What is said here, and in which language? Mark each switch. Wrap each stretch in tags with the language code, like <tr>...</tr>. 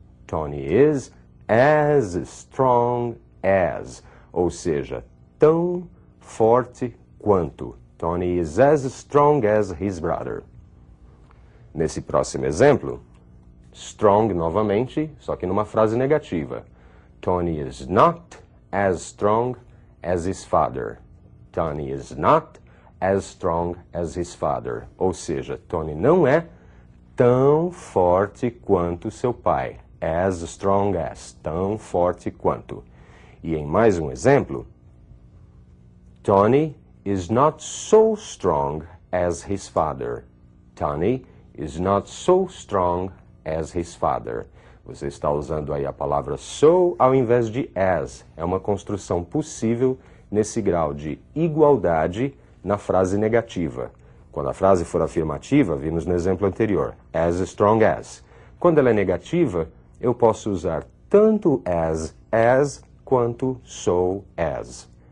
<en>Tony is as strong as,</en> <pt>ou seja, tão forte quanto.</pt> <en>Tony is as strong as his brother.</en> <pt>Nesse próximo exemplo, strong novamente, só que numa frase negativa.</pt> <en>Tony is not as strong as his father. Tony is not as strong as his father.</en> <pt>Ou seja, Tony não é tão forte quanto seu pai.</pt> <en>As strong as,</en> <pt>tão forte quanto. E em mais um exemplo,</pt> <en>Tony is not so strong as his father. Tony is not so strong as his father.</en> <pt>Você está usando aí a palavra so ao invés de as. É uma construção possível nesse grau de igualdade na frase negativa. Quando a frase for afirmativa, vimos no exemplo anterior, as strong as. Quando ela é negativa, eu posso usar tanto as, quanto so as.</pt>